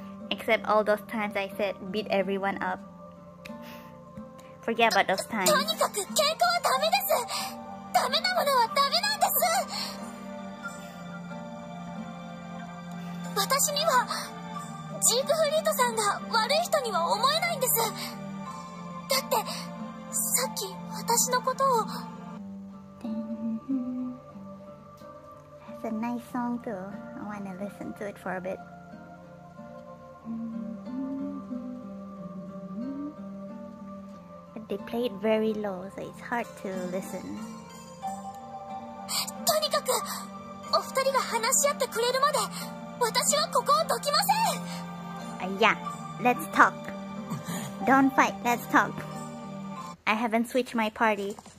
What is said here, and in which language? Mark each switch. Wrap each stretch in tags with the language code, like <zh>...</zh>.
<en>Except all those times I said beat everyone up. Forget about those times.</en> <ja>とにかく喧嘩はダメです。ダメなものはダメなんです。私にはジークフリートさんが悪い人には思えないんです。だってさっき私のことを。</ja> <en>A nice song too. I want to listen to it for a bit. But they play it very low, so it's hard to listen.</en> <ja>とにかく、お二人が話し合ってくれるまで、私はここを解きません。</ja> <en>Yeah, let's talk. Don't fight. Let's talk. I haven't switched my party.</en>